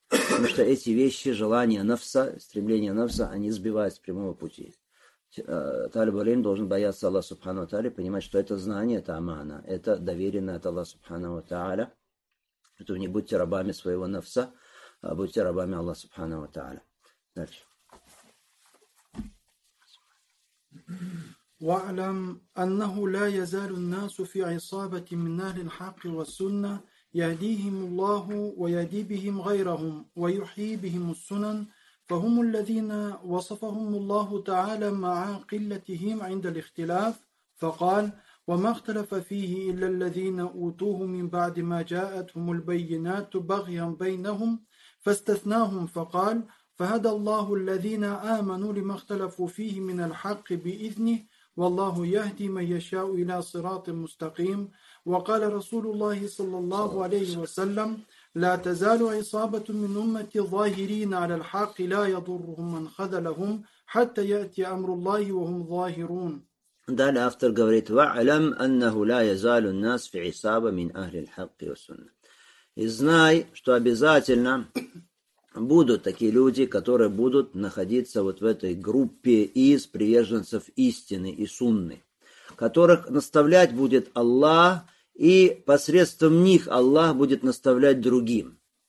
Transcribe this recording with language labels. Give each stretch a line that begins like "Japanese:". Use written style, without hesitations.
Russian: Потому что эти вещи, желания нафса, стремления нафса, они сбивают с прямого пути. Талиб аль-Ильм должен бояться Аллаха Субхану Тааля, понимать, что это знание, это амана, это доверенное от Аллаха Субхану Тааля. Поэтому не будьте рабами своего нафса, а будьте рабами Аллаха Субхану Тааля. Дальше.
Arabic: واعلم أنه لا يزال الناس في عصابة من أهل الحق والسنة يهديهم الله ويهدي بهم غيرهم ويحيي بهم السنن فهم الذين وصفهم الله تعالى مع قلتهم عند الاختلاف فقال وما اختلف فيه إلا الذين أوتوه من بعد ما جاءتهم البينات بغيا بينهم فاستثناهم فقال فهدى الله الذين آمنوا لما اختلفوا فيه من الحق بإذنه والله يهدي من يشاء إلى صراط مستقيم وقال رسول الله صلى الله عليه وسلم لا تزال عصابة من أمتي ظاهرين على الحق لا يضرهم من خذلهم حتى يأتي أمر الله وهم ظاهرون.
Russian: Далее автор говорит:
Arabic: واعلم أنه لا يزال الناس في عصابة من أهل الحق والسنة.
Russian: И знай, что обязательно будут такие люди, которые будут находиться вот в этой группе из приверженцев истины и сунны, которых наставлять будет Аллах, и посредством них Аллах будет наставлять другим.